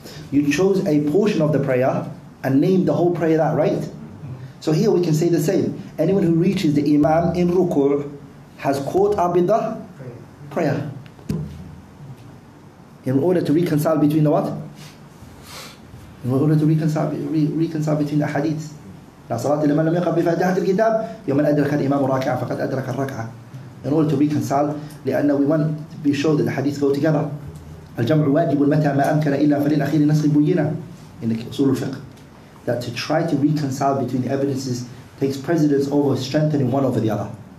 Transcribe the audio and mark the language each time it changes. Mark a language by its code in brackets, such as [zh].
[en] You chose a portion of the prayer and named the whole prayer that, right? So here we can say the same. Anyone who reaches the imam in ruku' has caught up with the prayer. In order to reconcile between the what? In order to reconcile between the hadiths. [ar] لا صلاة لمن لم يقرأ بفاتحة الكتاب يوم أدرك الإمام راكعا فقد أدرك الركعة. [en] In order to reconcile, لأن we want to be sure that the hadith go together. [ar] الجمع واجب متى ما أمكن إلا فللأخير نسخ بينة. [en] In the usul al-fiqh. That to try to reconcile between the evidences takes precedence over strengthening one over the other.